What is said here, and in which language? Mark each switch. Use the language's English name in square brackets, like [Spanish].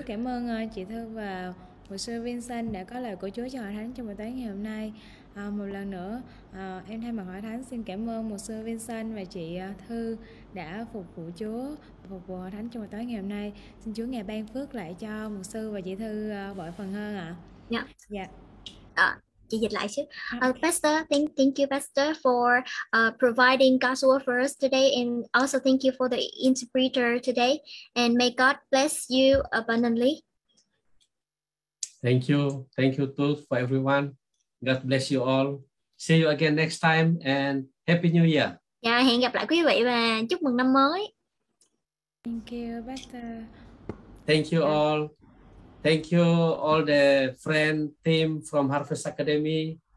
[Vietnamese] Cảm ơn chị Thư và mục sư Vincent đã có lời của Chúa cho hội thánh trong buổi tối ngày hôm nay. Một lần nữa, em thay mặt hội thánh xin cảm ơn mục sư Vincent và chị Thư đã phục vụ Chúa, phục vụ hội thánh trong buổi tối ngày hôm nay. Xin Chúa ngài ban phước lại cho mục sư và chị Thư bội phần hơn ạ. Dạ. Dạ. Chị dịch lại chứ. [English] Pastor, thank you, Pastor, for providing God's word for us today, and also thank you for the interpreter today, and may God bless you abundantly. Thank you. Thank you too for everyone. God bless you all. See you again next time and Happy New Year. [Vietnamese] Yeah, hẹn gặp lại quý vị và chúc mừng năm mới. [English] Thank you, Pastor. Thank you all. Thank you all the friend team from Harvest Academy.